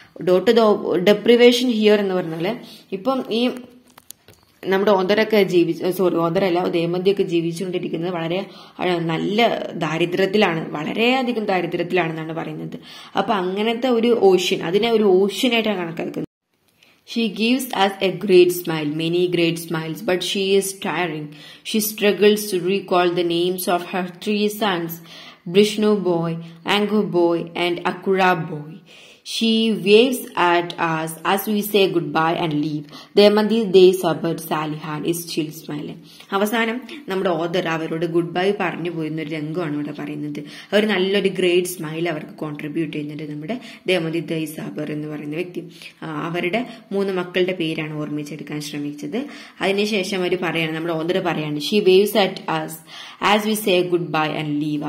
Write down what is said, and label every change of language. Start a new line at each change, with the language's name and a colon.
English: that the deprivation here
Malayalam: എന്ന് പറഞ്ഞാല് ഇപ്പം ഈ നമ്മുടെ ഓദറല്ല ദേമതിയൊക്കെ ജീവിച്ചുകൊണ്ടിരിക്കുന്നത് വളരെ നല്ല ദാരിദ്ര്യത്തിലാണ്, വളരെയധികം ദാരിദ്ര്യത്തിലാണെന്നാണ് പറയുന്നത്. അപ്പൊ അങ്ങനത്തെ ഒരു ഓഷ്യൻ, അതിനെ ഒരു ഓഷ്യനായിട്ടാണ് കണക്കാക്കുന്നത്.
English: She gives us a great smile, many great smiles, but she is tiring. She struggles to recall the names of her 3 sons, Brishnu boy, Angu boy and Akura boy. She waves at us as we say goodbye and leave. Demathi Dei Sabar Salihan is still smiling.
Malayalam: അവസാനം നമ്മുടെ author അവരോട് good bye പറഞ്ഞു പോയിരുന്ന ഒരു രംഗമാണ് ഇവിടെ പറയുന്നത്. അവർ നല്ലൊരു ഗ്രേറ്റ് സ്മൈൽ അവർക്ക് കോൺട്രിബ്യൂട്ട് ചെയ്യുന്നുണ്ട് നമ്മുടെ ദേമതി ദൈ സാബർ എന്ന് പറയുന്ന വ്യക്തി. അവരുടെ 3 മക്കളുടെ പേരാണ് ഓർമ്മിച്ചെടുക്കാൻ ശ്രമിച്ചത്. അതിനുശേഷം അവർ പറയാണ്, നമ്മുടെ ഓദർ പറയാണ്,
English: She waves at us as we say goodbye and leave.